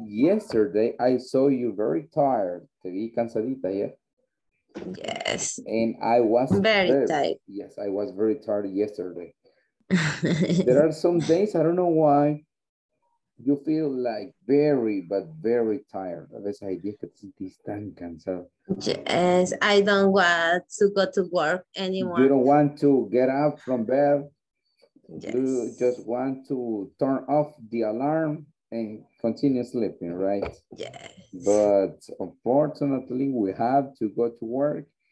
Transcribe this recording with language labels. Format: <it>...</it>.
<en>Yesterday, I saw you very tired.</en> <es>Te vi cansadita,</es> <en>yeah? Yes. And I was very tired. Yes, I was very tired yesterday. There are some days, I don't know why, you feel like very, but very tired.</en> <es>A veces hay días que te sentís tan cansado.</es> <en>Yes, I don't want to go to work anymore. You don't want to get up from bed. Yes. You just want to turn off the alarm and continue sleeping, right? Yes. But unfortunately, we have to go to work.</en>